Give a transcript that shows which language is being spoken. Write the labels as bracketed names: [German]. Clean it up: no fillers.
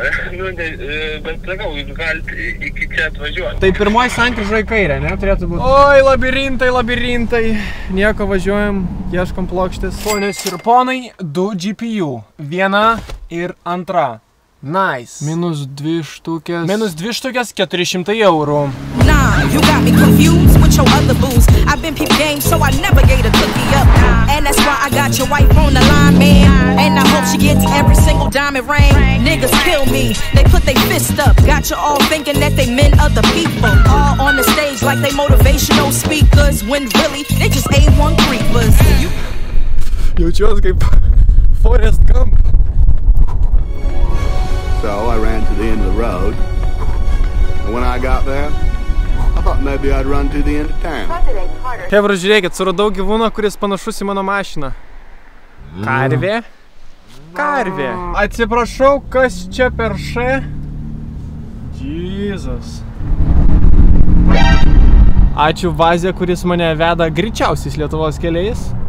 [Lithuanian] Nu, bet sakau, jūs galite iki čia atvažiuoti. Tai pirmoji sankryža į kairę, ne, turėtų būti. Oi, labirintai, labirintai, nieko važiuojam, ieškom plokštės. Ponės ir ponai, du GPU, viena ir antra. [English] Nice. [Lithuanian] Minus dvi štukės. Minus dvi štukės, 400 eurų. [English] You got me confused with your other booze. I've been peep game, so I never gave a cookie up. And that's why I got your wife on the line, man. And I hope she gets every single diamond ring. Niggas kill me, they put they fist up. Got you all thinking that they men other people. All on the stage like they motivational speakers. When really, they just A1 creepers. [Lithuanian] Jaučiuos kaip Forrest Gump. [English] So I ran to the end of the road. And when I got there, maybe I'd run to the end of town. [Lithuanian] Hebra, žiūrėkit, suradau gyvūną, kuris panašus į mano mašiną. Karvė? Karvė. Atsiprašau, kas čia per š? Jesus. Ačiū Vazė, kuris mane veda greičiausiais Lietuvos keliais.